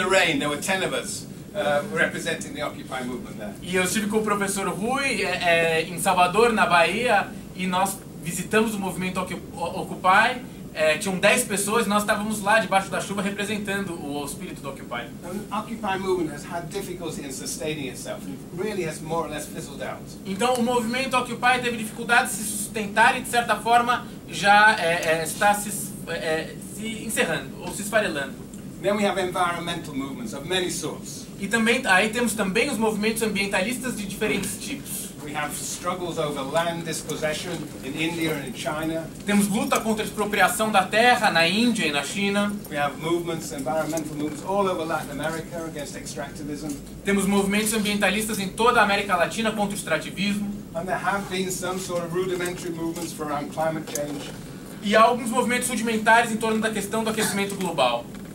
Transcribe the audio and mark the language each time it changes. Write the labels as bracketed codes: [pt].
[en] In the rain, there were 10 of us representing the Occupy movement there. [pt] E eu estive com o professor Rui em Salvador, na Bahia, e nós visitamos o movimento Occupy. Tinham 10 pessoas e nós estávamos lá debaixo da chuva representando o espírito do Occupy. [en] Occupy movement has had difficulty in sustaining itself. It really has more or less fizzled out. [pt] Então o movimento Occupy teve dificuldade de se sustentar e de certa forma já está se encerrando ou se esfarelando. [en] Then we have environmental movements of many sorts. [pt] E também aí temos também os movimentos ambientalistas de diferentes tipos. [en] We have struggles over land dispossession in India and in China. [pt] Temos luta contra a expropriação da terra na Índia e na China. [en] We have movements, environmental movements all over Latin America against extractivism. [pt] Temos movimentos ambientalistas em toda a América Latina contra o extrativismo. [en] And there have been some sort of rudimentary movements for around climate change. [pt] E há alguns movimentos rudimentares em torno da questão do aquecimento global.